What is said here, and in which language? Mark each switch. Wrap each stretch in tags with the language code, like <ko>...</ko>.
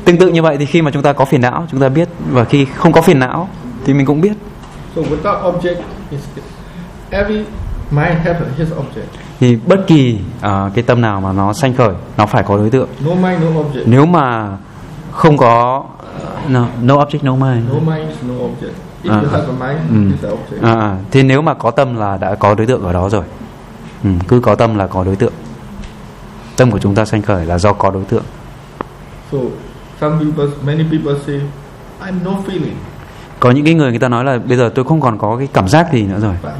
<vi>Tương tự như vậy thì khi mà chúng ta có phiền não, chúng ta biết, và khi không có phiền não thì mình cũng biết.</vi> <en>So without object is every mind have his object.</en> <vi>Thì bất kỳ cái tâm nào mà nó sanh khởi, nó phải có đối tượng.</vi> <en>No mind, no object.</en> <vi>Nếu mà không có</vi> <en>no object, no mind. No mind, no object. If you have a mind, it's an object.</en> <vi>Thì nếu mà có tâm là đã có đối tượng ở đó rồi. Cứ có tâm là có đối tượng. Tâm của chúng ta sanh khởi là do có đối tượng.</vi> <en>So, many people say, I'm no feeling.</en> <vi>Có những cái người ta nói là bây giờ tôi không còn có cái cảm giác gì nữa rồi.</vi>